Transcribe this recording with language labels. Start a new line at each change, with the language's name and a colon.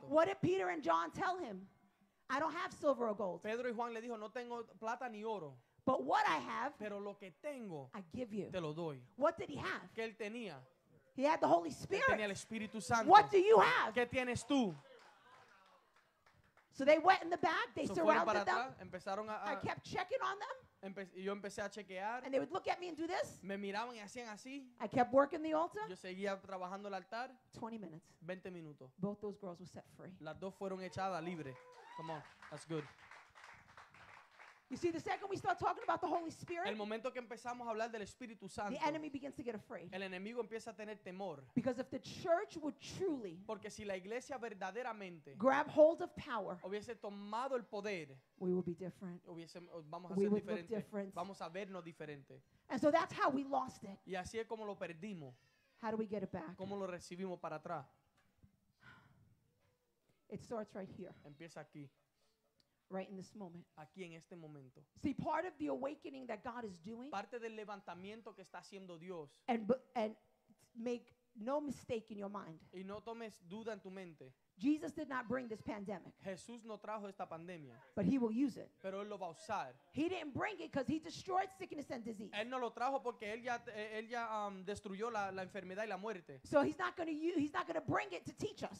English: What did Peter and John tell him? I don't have silver or gold.
Spanish: Pedro y Juan le dijo, no tengo plata ni oro.
English: But what I have,
Spanish: pero lo que tengo,
English: I give you.
Spanish: Te lo doy.
English: What did he have?
Spanish: Que él tenía.
English: He had the Holy Spirit.
Spanish: Tenía el Espíritu Santo.
English: What do you have?
Spanish: ¿Qué tienes tú?
English: So they went in the back. They so surrounded
Spanish: para
English: them.
Spanish: Empezaron a
English: I kept checking on them.
Spanish: Yo empecé a chequear.
English: And they would look at me and do this.
Spanish: Me miraban y hacían así.
English: I kept working the altar.
Spanish: Yo seguía trabajando el altar.
English: 20 minutes.
Spanish: 20 minutos.
English: Both those girls were set free.
Spanish: Las dos fueron echadas libres.
English: Come on, that's good. You see, the second we start talking about the Holy Spirit,
Spanish: el momento que empezamos a hablar del Espíritu Santo,
English: the enemy begins to get afraid.
Spanish: El enemigo empieza a tener temor.
English: Because if the church would truly,
Spanish: porque si la iglesia verdaderamente,
English: grab hold of power,
Spanish: hubiese tomado el poder,
English: we would be different.
Spanish: Vamos a
English: we
Spanish: ser
English: would
Spanish: diferente.
English: Look different.
Spanish: Vamos a vernos diferente.
English: And so that's how we lost it.
Spanish: Y así es como lo perdimos.
English: How do we get it back?
Spanish: ¿Cómo lo recibimos para atrás?
English: It starts right here.
Spanish: Empieza aquí.
English: Right in this moment.
Spanish: Aquí en este momento.
English: See, part of the awakening that God is doing.
Spanish: Parte del levantamiento que está haciendo Dios.
English: And make no mistake in your mind.
Spanish: Y no tomes duda en tu mente.
English: Jesus did not bring this pandemic.
Spanish: Jesús no trajo esta pandemia.
English: But he will use it.
Spanish: Pero él lo va a usar.
English: He didn't bring it because he destroyed sickness and disease.
Spanish: Él no lo trajo porque él ya destruyó la enfermedad y la muerte.
English: So he's not going to bring it to teach us.